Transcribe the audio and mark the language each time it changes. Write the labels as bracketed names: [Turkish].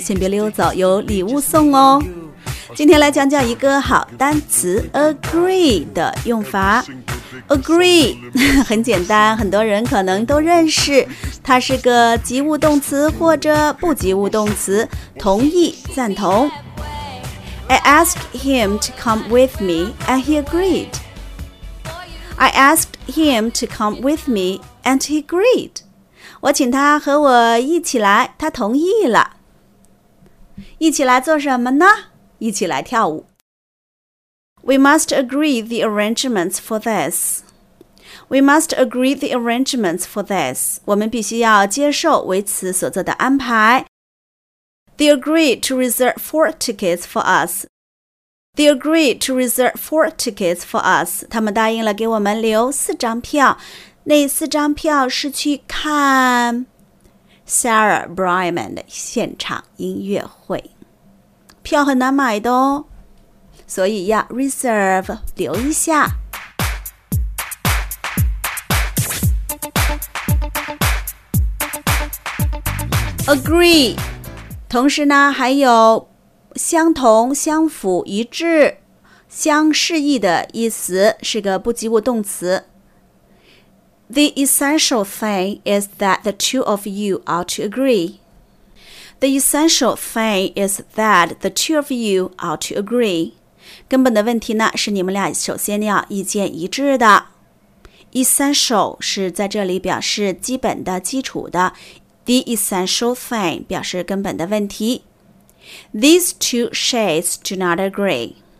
[Chinese] 先别溜走，有礼物送哦。今天来讲讲一个好单词 agree 的用法。 Agree 很简单，很多人可能都认识，它是个及物动词或者不及物动词，同意、赞同。 [English] I asked him to come with me and he agreed. I asked him to come with me and he agreed. [Chinese] 我请他和我一起来，他同意了。一起来做什么呢？一起来跳舞。 [English] We must agree the arrangements for this. We must agree the arrangements for this. [Chinese] 我们必须要接受为此所做的安排。 [English] They agreed to reserve 4 tickets for us. They agreed to reserve 4 tickets for us. [Chinese] 他们答应了给我们留四张票。那四张票是去看 Sarah Brightman 的现场音乐会。票很难买的哦。所以要 reserve, 留一下。 [English] Agree. [Chinese] 同时呢，还有相同、相符、一致、相适宜的意思，是个不及物动词。 [English] The essential thing is that the two of you are to agree. The essential thing is that the two of you are to agree. [Chinese] 根本的问题呢，是你们俩首先要意见一致的。 Essential 是在这里表示基本的、基础的。 [English] The essential thing [Chinese] 表示根本的问题。 [English] These two shades do not agree.